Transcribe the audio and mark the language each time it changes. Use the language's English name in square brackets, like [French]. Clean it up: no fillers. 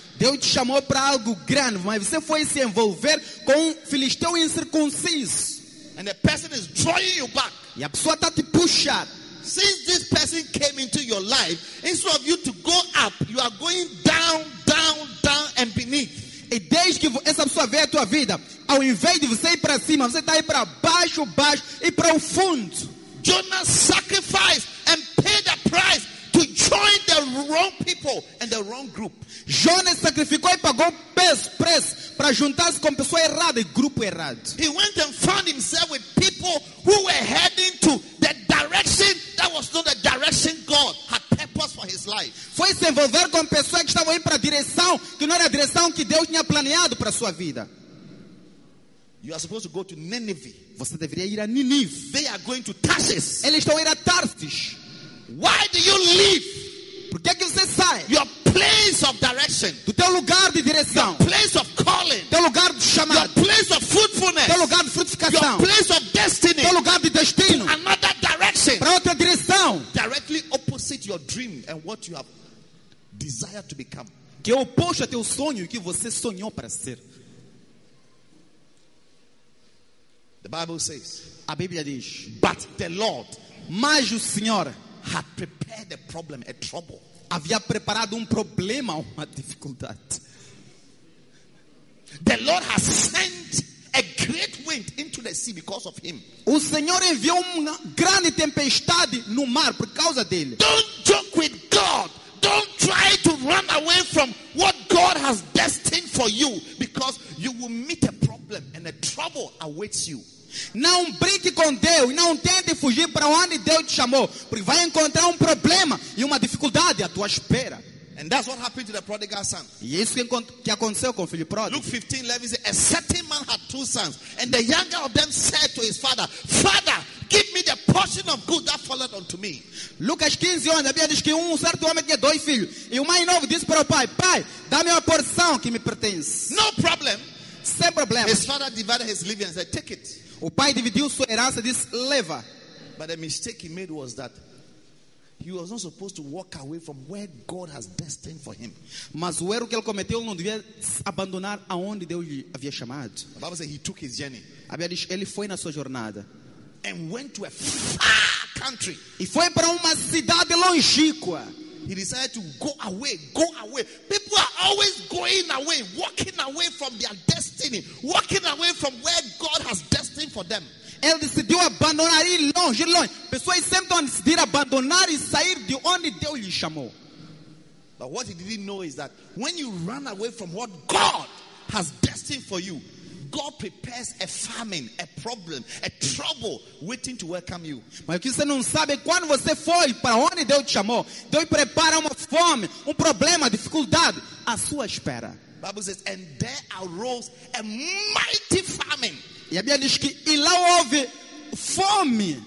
[Portuguese] Deus te chamou para algo grande, mas você foi se envolver com um filisteu incircunciso. [English] And the person is drawing you back. [Portuguese] E a pessoa está te puxando. [English] Since this person came into your life, instead of you to go up, you are going down, down, down and beneath. [Portuguese] E desde que essa pessoa veio à tua vida, ao invés de você ir para cima, você está aí para baixo, baixo e para o fundo. [English] Jonah sacrificed and paid the price to join the wrong people and the wrong group. [Portuguese] Jonas sacrificou e pagou preço para juntar-se com pessoa errada e grupo errado. [English] He went and found himself with people who were heading to the direction that was not the direction God had purposed for his life. [Portuguese] Foi se envolver com pessoas que estavam indo para a direção que não era a direção que Deus tinha planeado para sua vida. [English] You are supposed to go to Nineveh. [Portuguese] Você deveria ir a Nineveh. [English] They are going to Tarsus. [Portuguese] Eles estão indo a Tarsus. [English] Why do you leave? [Portuguese] Por que você sai? vai. [English] Your place of direction. [Portuguese] Do teu lugar de direção. [English] Your place of calling. [Portuguese] Teu lugar de chamado. [English] Your place of fruitfulness. [Portuguese] Teu lugar de frutificação. [English] Your place of destiny. [Portuguese] Teu lugar de destino. [English] To another direction. [Portuguese] Para outra direção. [English] Directly opposite your dream and what you have desired to become. [Portuguese] Que é oposto a teu sonho e que você sonhou para ser. [English] The Bible says. [Portuguese] A Bíblia diz. [English] But the Lord. [Portuguese] Mas o Senhor. [English] Had prepared a problem, a trouble. [Portuguese] Havia preparado problema, uma dificuldade. [English] The Lord has sent a great wind into the sea because of him. [Portuguese] O Senhor enviou uma grande tempestade no mar por causa dele. [English] Don't joke with God. Don't try to run away from what God has destined for you because you will meet a problem and a trouble awaits you. [Portuguese] Não brinque com Deus, não tente fugir para onde Deus te chamou, porque vai encontrar problema e uma dificuldade à tua espera. [English] And that's what happened to the prodigal son. [Portuguese] E isso que aconteceu com o filho pródigo. [English] Luke 15, 11 says, a certain man had two sons, and the younger of them said to his father, Father, give me the portion of good that followed unto me. [Portuguese] Lucas 15, 11, a Bíblia diz que certo homem tinha dois filhos, e o mais novo disse para o pai, Pai, dá-me a porção que me pertence. [English] No problem. [Portuguese] Sem problema. [English] His father divided his living and said, take it. [Portuguese] O pai dividiu sua herança e disse, leva. [English] But the mistake he made was that he was not supposed to walk away from where God has destined for him. [Portuguese] Mas o erro que ele cometeu, ele não devia abandonar aonde Deus lhe havia chamado. [English] The Bible says he took his journey. [Portuguese] A Bíblia diz, ele foi na sua jornada. [English] And went to a far country. [Portuguese] E foi para uma cidade longínqua. [English] He decided to go away, go away. People are always going away, walking away from their destiny, walking away from where God has destined for them. [Portuguese] Ele decidiu abandonar ir longe, longe. Pessoas sempre decidiram abandonar e sair de onde Deus lhe chamou. [English] But what he didn't know is that when you run away from what God has destined for you, God prepares a famine, a problem, a trouble waiting to welcome you. [Portuguese] Mas que você não sabe quando você foi para onde Deus te chamou. Deus prepara uma fome, problema, dificuldade à sua espera. [English] The Bible says, and there arose a mighty famine. [Portuguese] E a Bíblia diz que e lá houve fome.